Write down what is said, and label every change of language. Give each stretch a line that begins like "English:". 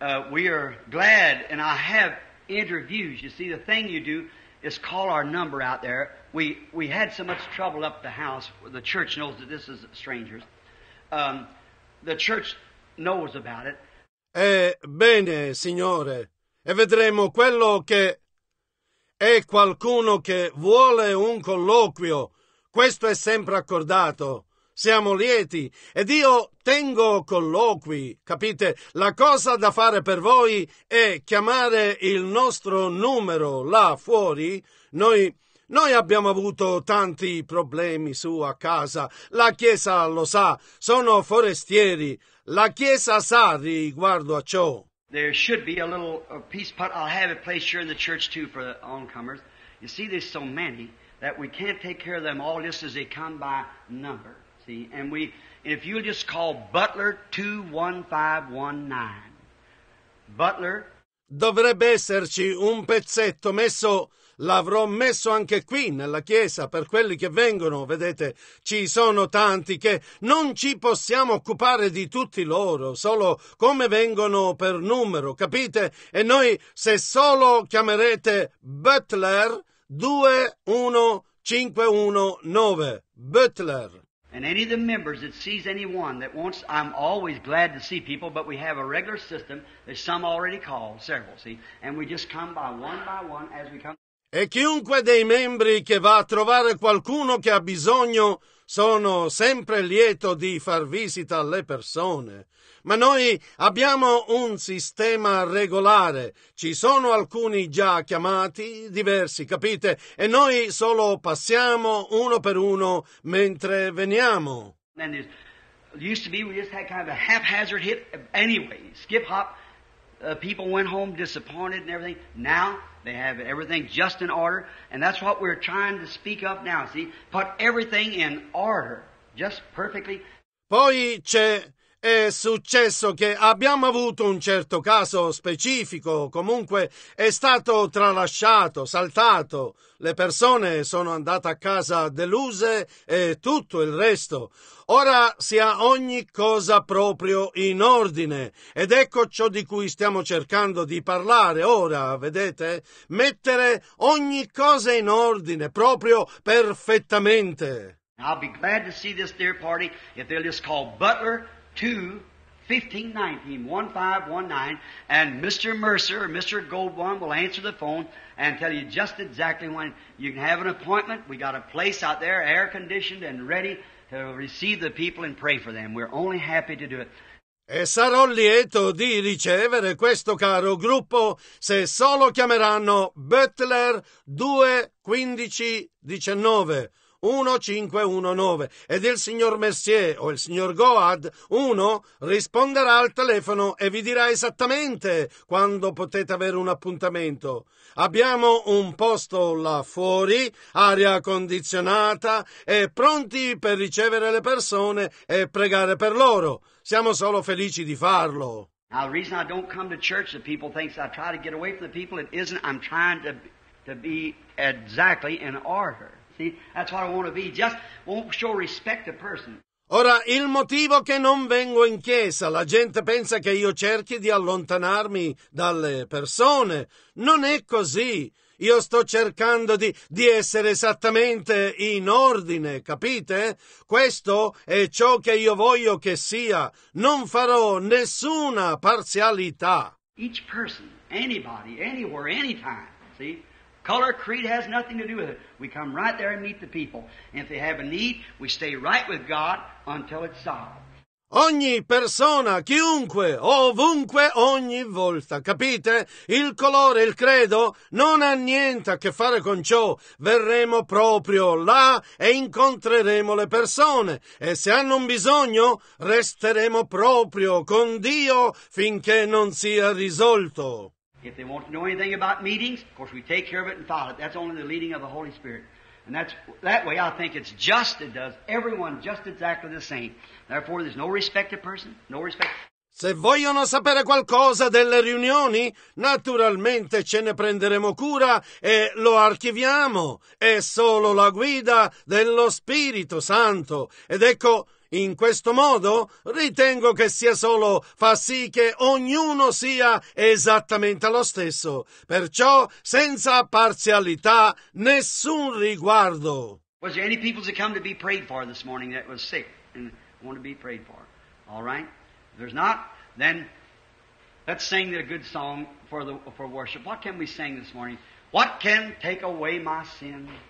English: We are glad, and I have interviews. You see, the thing you do is call our number out there. We had so much trouble up the house. The church knows that this is strangers. The church knows about it.
Italian: Bene, signore. E vedremo quello che è qualcuno che vuole un colloquio. Questo è sempre accordato. Siamo lieti ed io tengo colloqui, capite? La cosa da fare per voi è chiamare il nostro numero là fuori. Noi abbiamo avuto tanti problemi su a casa. La Chiesa lo sa, sono forestieri. La Chiesa sa riguardo a ciò.
English: There should be a little peace, but I'll have it placed here in the church too for the oncomers. You see, there's so many that we can't take care of them all just as they come by number. See, and if you'll just call Butler 21519, Butler.
Italian: Dovrebbe esserci un pezzetto messo, l'avrò messo anche qui nella chiesa per quelli che vengono, vedete, ci sono tanti che non ci possiamo occupare di tutti loro, solo come vengono per numero, capite? E noi, se solo chiamerete Butler 21519, Butler.
English: And any of the members that sees anyone that wants, I'm always glad to see people, but we have a regular system. There's some already called, several, see? And we just come by one as we come.
Italian: E chiunque dei membri che va a trovare qualcuno che ha bisogno, sono sempre lieto di far visita alle persone. Ma noi abbiamo un sistema regolare. Ci sono alcuni già chiamati, diversi, capite? E noi solo passiamo uno per uno mentre veniamo.
English: And it used to be we just had kind of a haphazard hit anyway. Skip hop, people went home disappointed and everything. Now they have everything just in order. And that's what we're trying to speak of now, see? Put everything in order, just perfectly.
Italian: Poi c'è... È successo che abbiamo avuto un certo caso specifico, comunque è stato tralasciato, saltato. Le persone sono andate a casa deluse e tutto il resto. Ora sia ogni cosa proprio in ordine. Ed ecco ciò di cui stiamo cercando di parlare ora, vedete? Mettere ogni cosa in ordine, proprio perfettamente.
English: I'll be glad to see this dear party if they'll just call Butler 21519, and Mr. Mercer or Mr. Goldblum will answer the phone and tell you just exactly when you can have an appointment. We got a place out there, air conditioned and ready to receive the people and pray for them. We're only happy to do it.
Italian: E sarò lieto di ricevere questo caro gruppo se solo chiameranno Butler 21519. 1519 ed il signor Mercier o il signor Goad 1 risponderà al telefono e vi dirà esattamente quando potete avere un appuntamento. Abbiamo un posto là fuori, aria condizionata e pronti per ricevere le persone e pregare per loro. Siamo solo felici di farlo.
English: Now, the reason I don't come to church, the people think I try to get away from the people, it isn't. I'm trying to be exactly in order. That's what I want to be. Just won't show respect to person.
Italian: Ora, il motivo che non vengo in chiesa, la gente pensa che io cerchi di allontanarmi dalle persone. Non è così. Io sto cercando di essere esattamente in ordine, capite? Questo è ciò che io voglio che sia. Non farò nessuna parzialità.
English: Each person, anybody, anywhere, anytime, see? Color, creed has nothing to do with it. We come right there and meet the people. And if they have a need, we stay right with God until it's solved.
Italian: Ogni persona, chiunque, ovunque, ogni volta, capite? Il colore, il credo, non ha niente a che fare con ciò. Verremo proprio là e incontreremo le persone. E se hanno un bisogno, resteremo proprio con Dio finché non sia risolto.
English: If they want to know anything about meetings, of course we take care of it and follow it. That's only the leading of the Holy Spirit. And that way I think it's just, it does everyone just exactly the same. Therefore there's no respect to person, no respect.
Italian: Se vogliono sapere qualcosa delle riunioni, naturalmente ce ne prenderemo cura e lo archiviamo. È solo la guida dello Spirito Santo. Ed ecco, in questo modo ritengo che sia solo fa sì che ognuno sia esattamente lo stesso, perciò senza parzialità, nessun riguardo.
English: Was there any people to come to be prayed for this morning that was sick and want to be prayed for? All right? If there's not, then let's sing a good song for worship. What can we sing this morning? What can take away my sin?